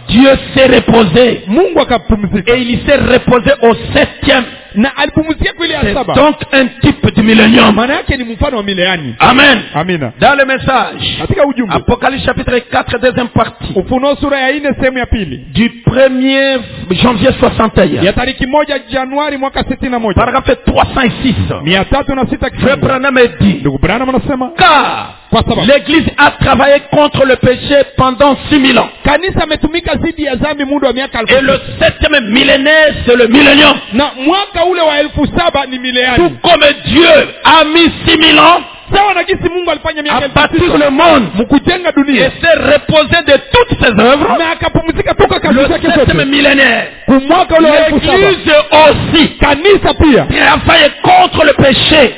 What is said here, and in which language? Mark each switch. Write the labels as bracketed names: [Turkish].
[French] Dieu s'est reposé. [Swahili] Mungu akapumzika. [French] Et il s'est reposé au 7e. [Swahili] Na alipumzika kule ya 7. [French] Donc un type de millénaire. [Swahili] Maana yake ni mfano wa mileani. [French] Amen. [Swahili] Amina. [French] Dans le message. [Swahili] Katika ujumbe. [French] Apocalypse chapitre 4 deuxième partie. [Swahili] Ufunuo sura ya 4 sehemu ya pili. [French] Du 1er janvier 61. [Swahili] Ya tariki 1 Januari mwaka 61. [French] Paragraphe 306. 306 [Swahili] kile. Prana medi. Ndugu Prana anasema. Kwa sababu [French] l'église a travaillé contre le péché pendant 6000 ans. [Swahili] Kanisa ametumika zidi ya dhambi muda wa miaka [French] 6000. Et le 7e millénaire c'est le millénium. [Swahili] Na mwaka ule wa 7000 ni mileani. [French] Tout comme Dieu a mis 6000 ans. [Swahili] Sawa na jinsi Mungu alifanya miaka [French] 6000. A bâti le monde. [Swahili] Mkujenga dunia. [French] Et s'est reposé de toutes ses œuvres. [Swahili] Na akapumzika toka kazi zake zote. [French] Le 7e millénaire. [Swahili] Ku mwaka ule wa [French] 7000. L'église aussi. [Swahili] Kanisa pia. [French] Il a travaillé contre le péché.